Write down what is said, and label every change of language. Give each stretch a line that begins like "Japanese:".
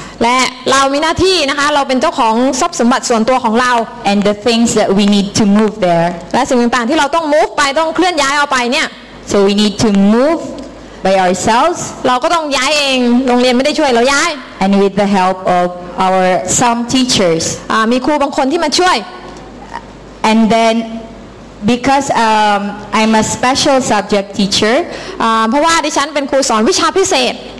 Thai: และเรามีหน้าที่นะคะเราเป็นเจ้าของทรัพย์สมบัติส่วนตัวของเรา
English: and the things that we need to move there
Thai: และสิ่งต่างๆที่เราต้อง move ไปต้องเคลื่อนย้ายเอาไปเนี่ย
English: so we need to moveby ourselves
Thai: เราก็ต้องย้ายเองโรงเรียนไม่ได้ช่วยเราย้าย
English: and with the help of our some teachers
Thai: มีครูบางคนที่มาช่วย
English: and then because I'm a special subject teacher
Thai: เพราะว่าดิฉันเป็นครูสอนวิชาพิเศษ